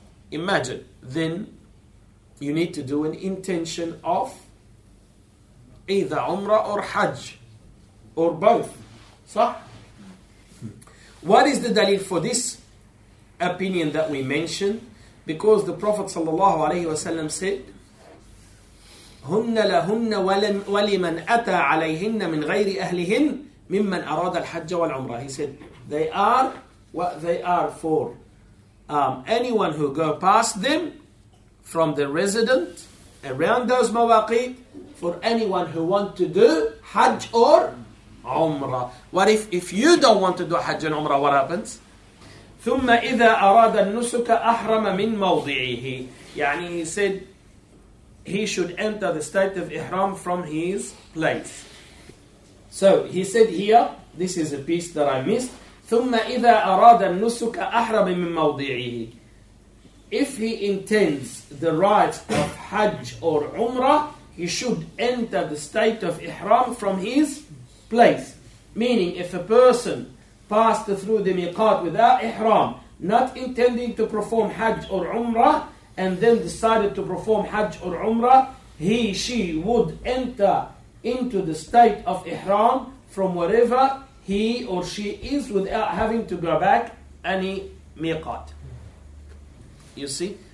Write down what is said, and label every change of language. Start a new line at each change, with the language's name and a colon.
English: Imagine, then you need to do an intention of either Umrah or Hajj, or both.
Arabic: صح؟
English: What is the dalil for this opinion that we mentioned? Because the Prophet
Arabic: صلى الله عليه وسلم
English: said,
Arabic: هُنَّ لَهُنَّ وَلِمَنْ أَتَى عَلَيْهِنَّ مِنْ غَيْرِ أَهْلِهِنْ مِمَّنْ أَرَادَ الْحَجَّ وَالْعُمْرَةِ.
English: He said, they are what they are for. Anyone who go past them from the resident around those mawaqit, for anyone who want to do Hajj or Umrah. What if you don't want to do Hajj and Umrah, what happens?
Arabic: ثُمَّ إِذَا أَرَادَ النُّسُكَ أَحْرَمَ مِنْ مَوْضِعِهِ. يعني
English: he said he should enter the state of Ihram from his place. So he said here, this is a piece that I missed.
Arabic: ثُمَّ إِذَا أَرَادَ النُّسُكَ أَحْرَمَ مِنْ مَوْضِعِهِ.
English: If he intends the rites of Hajj or Umrah, he should enter the state of Ihram from his place. Meaning, if a person passed through the Miqat without Ihram, not intending to perform Hajj or Umrah, and then decided to perform Hajj or Umrah, he, she would enter into the state of Ihram from wherever he or she is without having to go back any Miqat. You see?